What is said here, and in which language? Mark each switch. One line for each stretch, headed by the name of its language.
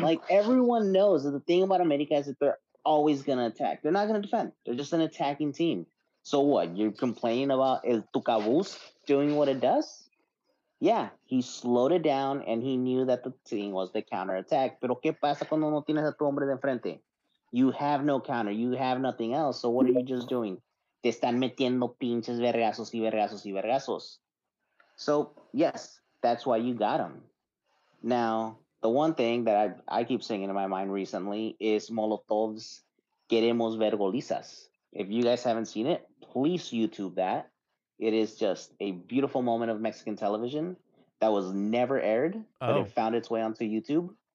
English: Like, everyone knows that the thing about América is that they're always going to attack. They're not going to defend. They're just an attacking team. So what? You're complaining about El Tucabús doing what it does? Yeah, he slowed it down, and he knew that the team was the counterattack.
Spanish: Pero qué pasa cuando no tienes a tu hombre de frente?
English: You have no counter. You have nothing else. So what are you just doing?
Spanish: Te están metiendo pinches vergazos y vergazos y vergazos.
English: So, yes, that's why you got him. Now, the one thing that I keep saying in my mind recently is Molotov's Queremos Vergolizas. If you guys haven't seen it, please YouTube that. It is just a beautiful moment of Mexican television that was never aired, but it found its way onto YouTube.